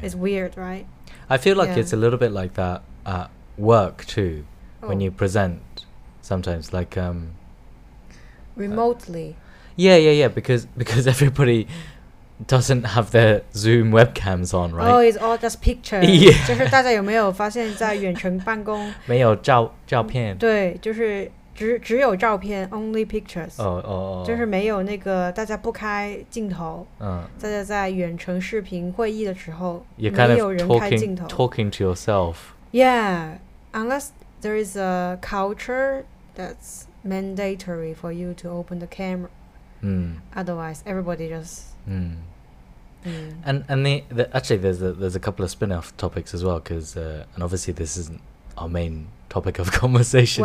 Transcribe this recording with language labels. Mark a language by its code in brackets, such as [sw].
[en] It's weird, right? I feel like it's a little bit like that at work too, when you present sometimes, like... Remotely. Yeah, because everybody doesn't have their Zoom webcams on, right? Oh, it's all just pictures. Yeah. [zh] 就是大家有没有发现在远程办公没有照片。对，就是只有照片 [en] only pictures. [zh] 就是没有那个大家不开镜头。大家在远程视频会议的时候没有人开镜头。 [en] You're kind of talking to yourself. Yeah, unless there is a culture that's mandatory for you to open the camera. Otherwise, everybody just... And there's a couple of spin-off topics as well, because and obviously this isn't our main topic of conversation